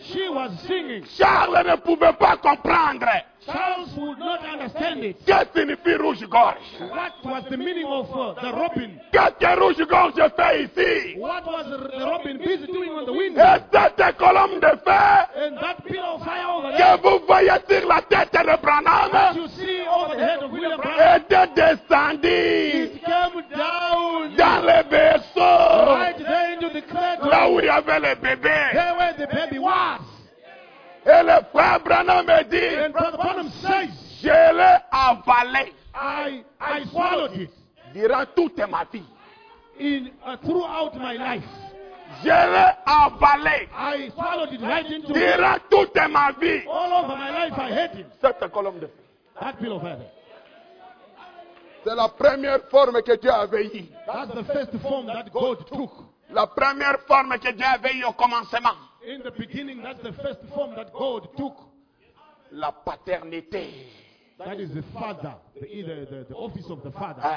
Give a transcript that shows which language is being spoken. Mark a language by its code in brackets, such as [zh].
[en] She was singing. [fr] Charles ne pouvait pas comprendre. [en] Charles would not understand it. [fr] Que signifie rouge gorge? [en] What was the meaning of the robin? [fr] Qu'est-ce que rouge gorge fait ici? [en] What was the robin busy doing on the window? [fr] Et cette colonne de feu. [en] And that pillar of fire over there. [fr] Que vous voyez sur la tête de Branham. [en] What you see over the head of William Branham. [fr] Était descendu. [en] It came down. [fr] Dans le berceau. [en] Right there into the cradle. [fr] Là où il y avait le bébé. [en] There where the baby was. [fr] Et le frère Branham a dit, je l'ai avalé. [en] I swallowed it. [fr] Durant toute ma vie. [en] Throughout my life. [fr] Je l'ai avalé. [en] I swallowed it right into [fr] durant toute ma vie. [en] All over my life I hate it. [fr] Cette colonne de feu. [en] That pillar of heaven. [fr] C'est la première forme que Dieu avait eue. [en] That's the first form that God took. [fr] La première forme que Dieu avait eue au commencement. [en] In the beginning, that's the first form that God took. [fr] La paternité. [en] That is the father, the office of the father.